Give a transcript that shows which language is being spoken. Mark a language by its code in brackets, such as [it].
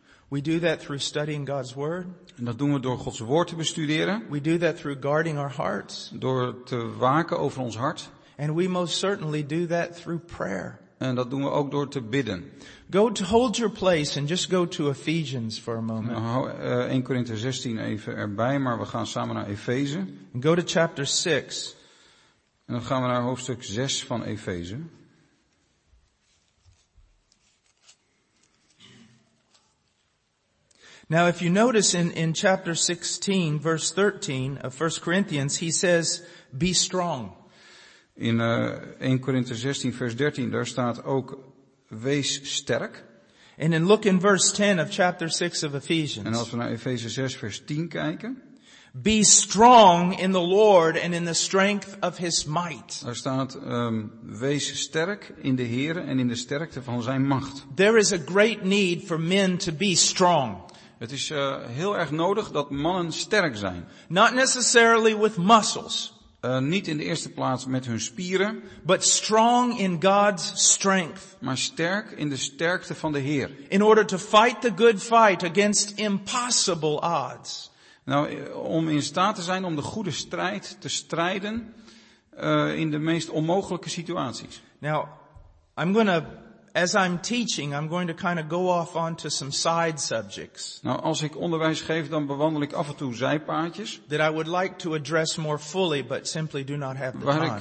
[en] We do that through studying God's word. [nl] En dat doen we door Gods woord te bestuderen. [en] We do that through guarding our hearts. [nl] Door te waken over ons hart. [en] And we most certainly do that through prayer. [nl] En dat doen we ook door te bidden. [en] Go to hold your place and just go to Ephesians for a moment. [nl] Nou, 1 Korinther 16 even erbij, maar we gaan samen naar Efeze. [en] And go to chapter 6. [nl] En dan gaan we naar hoofdstuk 6 van Efeze. [en] Now if you notice in chapter 16 verse 13 of 1 Corinthians, he says, be strong. [nl] In 1 Korinther 16 vers 13, daar staat ook, wees sterk. [en] And then look in verse 10 of chapter 6 of Ephesians. [nl] En als we naar Efeze 6 vers 10 kijken. [en] Be strong in the Lord and in the strength of his might. [nl] Daar staat, wees sterk in de Heer en in de sterkte van zijn macht. [en] There is a great need for men to be strong. [nl] Het is heel erg nodig dat mannen sterk zijn. [en] Not necessarily with muscles. [nl] Niet in de eerste plaats met hun spieren. [en] But strong in God's strength. [nl] Maar sterk in de sterkte van de Heer. [en] In order to fight the good fight against impossible odds. [nl] Nou, om in staat te zijn om de goede strijd te strijden in de meest onmogelijke situaties. [en] Now, I'm going to... As I'm teaching, I'm going to kind of go off onto some side subjects. [nl] Nou, als ik onderwijs geef, dan bewandel ik af en toe zijpaadjes. [en] That I would like to address more fully, but simply do not have the time.